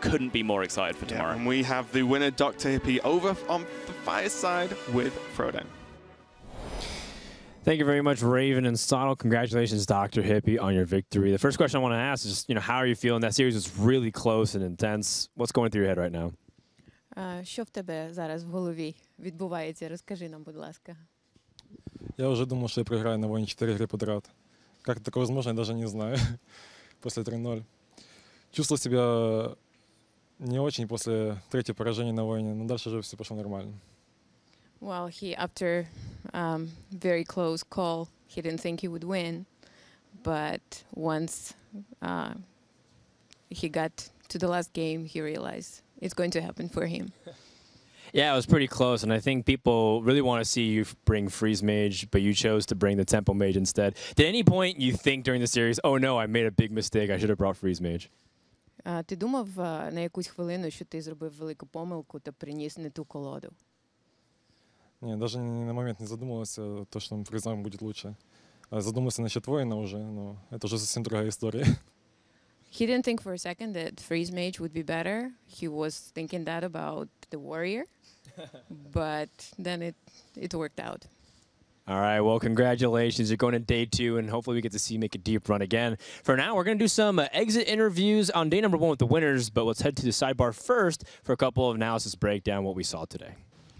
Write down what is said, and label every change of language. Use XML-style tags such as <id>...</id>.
<en>Couldn't be more excited for tomorrow. And we have the winner, DrHippi, over on the Fireside with Frodo. Thank you very much, Raven and Sonal. Congratulations, DrHippi, on your victory. The first question I want to ask is just, you know, how are you feeling? That series was really close and intense. What's going through your head right now?</en> <uk>Що в тебе зараз в голові відбувається? Розкажи нам, будь ласка. Я вже думав, що я програю на воїні 4 гри подряд. Як таке можливо, я навіть не знаю. Після 3-0. Чувствую себе не дуже після третього пораження на воїні, але далі вже все пішло нормально.</uk> <en>Well, he, after a very close call, he didn't think he would win. But once he got to the last game, he realized it's going to happen for him. Yeah, it was pretty close. And I think people really want to see you bring Freeze Mage, but you chose to bring the Temple Mage instead. Did any point you think during the series, oh no, I made a big mistake, I should have brought Freeze Mage?</en> <uk>Ти думав на якусь хвилину, що ти зробив велику помилку та приніс не ту колоду? Ні, даже на момент не задумувався, то що призом буде лучше. А задумався насчет воїна вже, ну, це вже зовсім друга історія.</uk> <en>He didn't think for a second that Freeze Mage would be better. He was thinking that about the warrior. But then it worked out. All right, well, congratulations. You're going to day two, and hopefully we get to see you make a deep run again. For now, we're going to do some exit interviews on day number one with the winners, but let's head to the sidebar first for a couple of analysis breakdown what we saw today.</en>